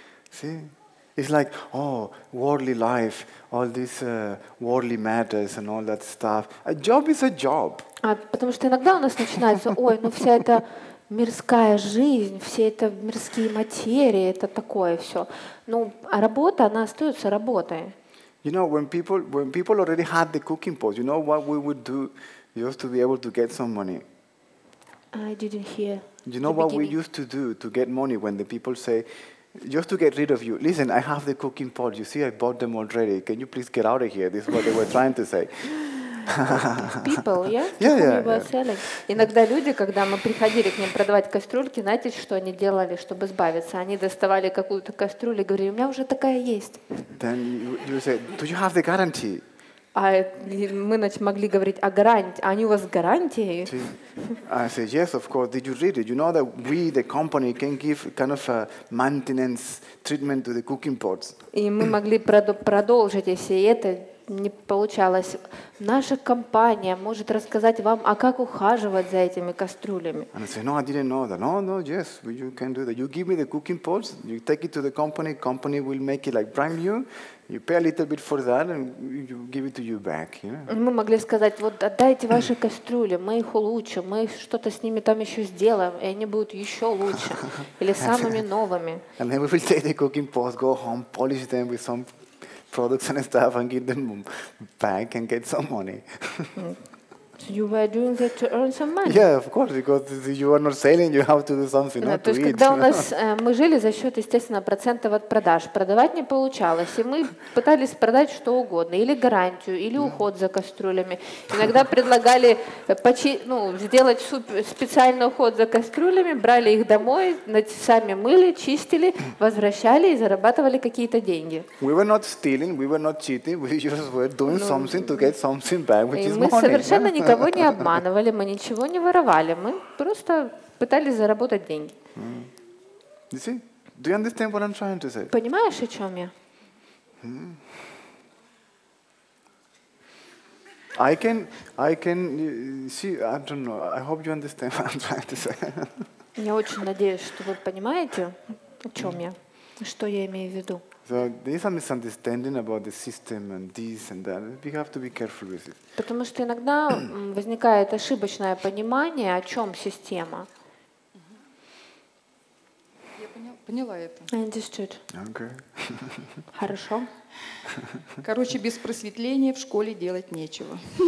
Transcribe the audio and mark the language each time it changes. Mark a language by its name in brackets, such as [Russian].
[English] See, it's like, oh, worldly life, all these worldly matters and all that stuff. A job is a job. [Russian] А потому что иногда у нас начинается, ой, ну вся эта мирская жизнь, все это мирские материи, это такое все. Ну, а работа, она остается работой. [English] You know, when people already had the cooking pot, you know what we would do just to be able to get some money. I didn't hear. You know what we used to do to get money when the people say, just to get rid of you, listen, I have the cooking pot, you see, I bought them already, can you please get out of here? This is what they were trying to say. People, yeah? Yeah, yeah, yeah. Selling. [Russian] Иногда люди, когда мы приходили к ним продавать кастрюльки, знаете, что они делали, чтобы избавиться? Они доставали какую-то кастрюлю и говорили, у меня уже такая есть. [English] Then you say, do you have the guarantee? [Russian] А мы могли говорить о гарантии. Они у вас гарантии? [English] I say yes, of course. Did you read it? You know that we, the company, can give kind of a maintenance treatment to the cooking pots. [Russian] И мы могли продолжить, если это не получалось. Наша компания может рассказать вам, а как ухаживать за этими кастрюлями. [English] And I say no, I didn't know that. No, yes, you can do that. You give me the cooking pots, you take it to the company. Company will make it like brand new. You pay a little bit for that and you give it to you back. [Russian] Мы могли сказать, вот отдайте ваши кастрюли, мы их улучшим, мы что-то с ними там еще сделаем, и они будут еще лучше или самыми новыми. [English] And then we will take the cooking pots, go home, polish them with some products and stuff and give them back and get some money. So you were doing that to earn some money? Yeah, of course, because you are not sailing, you have to do something, not to eat. [Russian] То есть когда у нас, мы жили за счет, естественно, процентов от продаж, продавать не получалось, и мы пытались продать что угодно, или гарантию, или уход за кастрюлями. Иногда предлагали сделать специальный уход за кастрюлями, брали их домой, сами мыли, чистили, возвращали и зарабатывали какие-то деньги. [English] We were not stealing, we were not cheating, we just were doing something to get something back, which is money. [Russian] Мы совершенно не никого не обманывали, мы ничего не воровали, мы просто пытались заработать деньги. Mm. [English] You see? Do you understand what I'm trying to say? [Russian] Понимаешь, о чем я? Mm. [English] I can see, I don't know. I hope you understand what I'm trying to say. [Russian] Я очень надеюсь, что вы понимаете, о чем я, что я имею в виду. [English] So there is a misunderstanding about the system and this and that. We have to be careful with it. [Russian] Потому что иногда возникает ошибочное понимание, о чем система. Я поняла. поняла это. [English] I understood. Okay. [Russian] Хорошо. Короче, без просветления в школе делать нечего.